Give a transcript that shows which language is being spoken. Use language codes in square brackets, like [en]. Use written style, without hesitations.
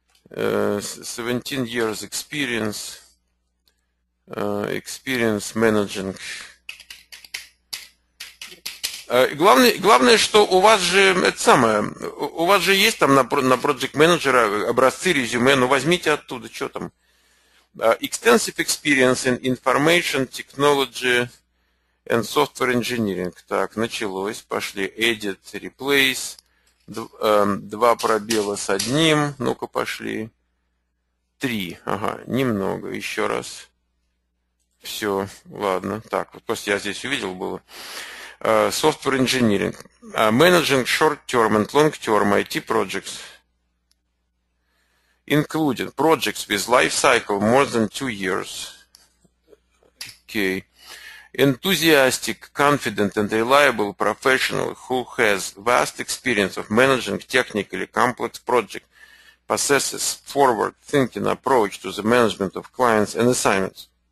[en] 17 years experience. Experience managing. [ru] Главное, что у вас же, это самое, у вас же есть там на Project Manager образцы резюме, ну возьмите оттуда, что там. [en] Extensive experience in information, technology and software engineering. [ru] Так, началось, пошли. Edit, replace, два пробела с одним, ну-ка пошли. Три, ага, немного, еще раз. Все, ладно, так, вот просто я здесь увидел было. [en] Software Engineering, Managing Short-Term and Long-Term IT Projects, including projects with life cycle more than 2 years. Okay. Enthusiastic, confident and reliable professional who has vast experience of managing technically complex projects, possesses forward-thinking approach to the management of clients and assignments.